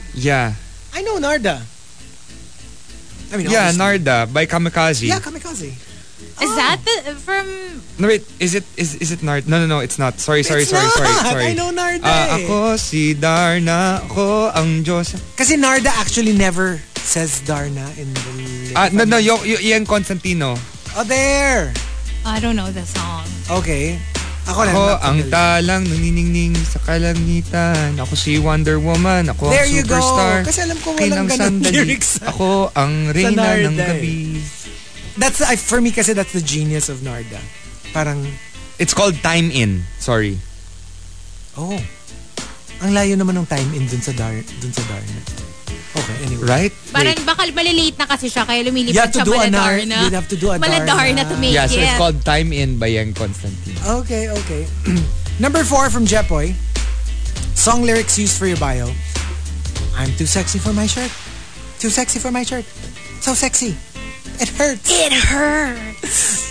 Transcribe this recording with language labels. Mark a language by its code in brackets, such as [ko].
[en] Yeah. I know Narda. I mean, yeah, honestly. Narda by Kamikaze. Yeah, Kamikaze. Is that the from? No, wait. Is it Narda? No, it's not. Sorry. I know Narda. [tl] Ako si Darna, ako ang Diyos. [en] Kasi Narda actually never says Darna in the. Ian Constantino. Oh, there. I don't know the song. Okay. [tl] Ako ang talang nuniningning sa kalangitan. Ako si Wonder Woman. Ako [en] there [tl] ang superstar. Kasi alam ko walang ganun lyrics. Ako ang reyna ng gabi. [en] That's for me kasi that's the genius of Narda. [tl] Parang [en] it's called Time In. Sorry. [tl] Oh. Ang layo naman ng Time In dun sa Darna. Oh, [en] anyway. Right? [tl] Parang baka malilate na kasi siya kaya lumilipat siya maladar na. [en] You have to do a maladar na to make it. Yeah, so it's called Time In by Yang Constantine. Okay, okay. Number 4 from Jepoy. Song lyrics used for your bio. I'm too sexy for my shirt. Too sexy for my shirt. So sexy. It hurts. It hurts.